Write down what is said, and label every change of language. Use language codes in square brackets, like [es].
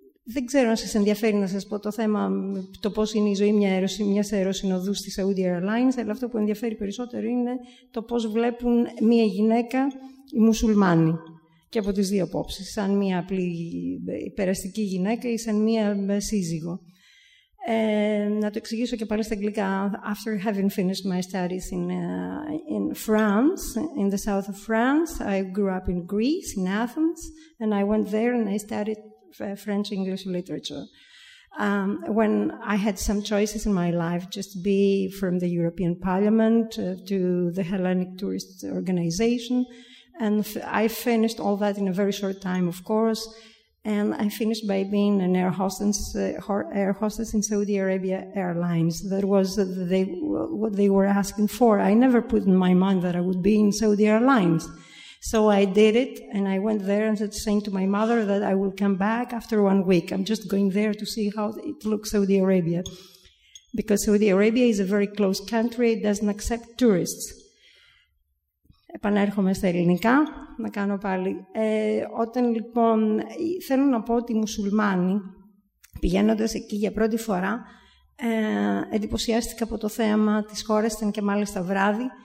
[el] Δεν ξέρω αν σας ενδιαφέρει να σας πω το θέμα το πώς είναι η ζωή μιας αεροσυνοδού στη Saudi Airlines, αλλά αυτό που ενδιαφέρει περισσότερο είναι το πώς βλέπουν μία γυναίκα οι μουσουλμάνοι και από τις δύο απόψεις, σαν μία απλή περαστική γυναίκα ή σαν μία σύζυγο. Να το εξηγήσω και πάλι στα αγγλικά. [en] After having finished my studies in France, in the south of France, I grew up in Greece, in Athens, and I went there and I studied French English literature. When I had some choices in my life, just to be from the European Parliament to the Hellenic Tourist Organization, and I finished all that in a very short time, of course. And I finished by being an air hostess in Saudi Arabia Airlines. That was what they were asking for. I never put in my mind that I would be in Saudi Airlines. So I did it, and I went there and said, saying to my mother that I will come back after 1 week. I'm just going there to see how it looks, Saudi Arabia. Because Saudi Arabia is a very close country. It doesn't accept tourists. [el] Επανέρχομαι στα ελληνικά, να κάνω πάλι. Όταν λοιπόν θέλω να πω ότι οι μουσουλμάνοι, πηγαίνοντας εκεί για πρώτη φορά, εντυπωσιάστηκα από το θέαμα της χώρας, ήταν και μάλιστα βράδυ.